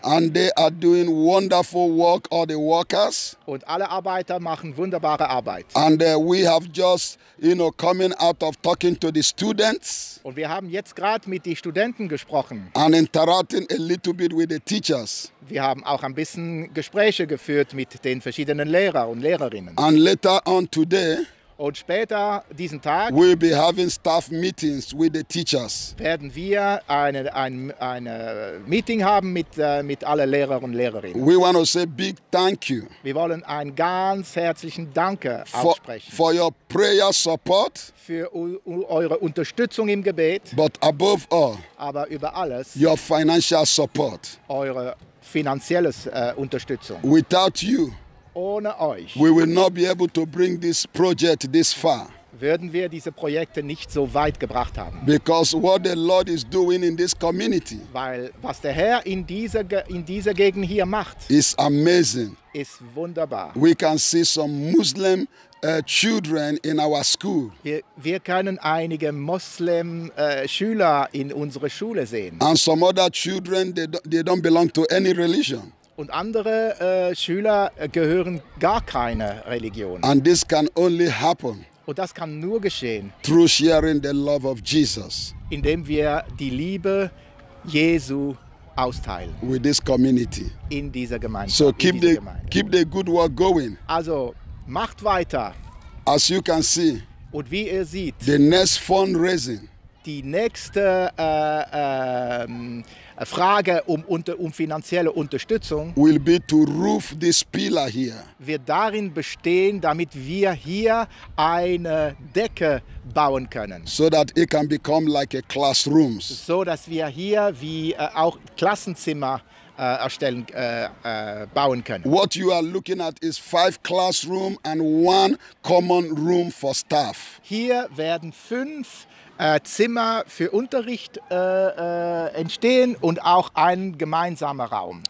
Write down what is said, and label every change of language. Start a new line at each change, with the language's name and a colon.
English: And they are doing wonderful work, all the workers.
German: Und alle Arbeiter machen wunderbare Arbeit.
English: And we have just, coming out of talking to the students.
German: Und wir haben jetzt gerade mit den Studenten gesprochen.
English: And interacting a little bit with the teachers.
German: Wir haben auch ein bisschen Gespräche geführt mit den verschiedenen Lehrer und Lehrerinnen.
English: And later on today,
German: und später diesen Tag,
English: we'll be having staff meetings with the teachers.
German: Werden wir eine Meeting haben mit alle Lehrer und Lehrerinnen.
English: We want to say big thank you.
German: Wir wollen einen ganz herzlichen Danke aussprechen.
English: For your prayer support.
German: Für eure Unterstützung im Gebet.
English: But above all.
German: Aber über alles.
English: Your financial support.
German: Eure finanzielles Unterstützung.
English: Without you.
German: Ohne euch.
English: We will not be able to bring this project this far.
German: Würden wir diese Projekte nicht so weit gebracht haben.
English: Because what the Lord is doing in this community.
German: Weil was der Herr in dieser Gegend hier macht.
English: Is amazing.
German: Ist wunderbar.
English: We can see some Muslim children in our school.
German: Wir können einige Muslim Schüler in unsere Schule sehen.
English: And some other children they don't belong to any religion.
German: Und andere Schüler gehören gar keine Religion.
English: And this can only happen.
German: Und das kann nur geschehen.
English: Through sharing the love of Jesus.
German: Indem wir die Liebe Jesu austeilen.
English: With this community.
German: In dieser Gemeinde.
English: So keep the good work going.
German: Also macht weiter.
English: As you can see.
German: Und wie ihr seht.
English: The next fundraising.
German: Die nächste Frage um finanzielle Unterstützung
English: will be to roof this pillar here.
German: Wird darin bestehen, damit wir hier eine Decke bauen können.
English: So that it can become like a classrooms.
German: So dass wir hier wie auch Klassenzimmer bauen können.
English: What you are looking at is 5 classrooms and 1 common room for staff.
German: Hier werden 5 Zimmer für Unterricht entstehen und auch ein gemeinsamer Raum.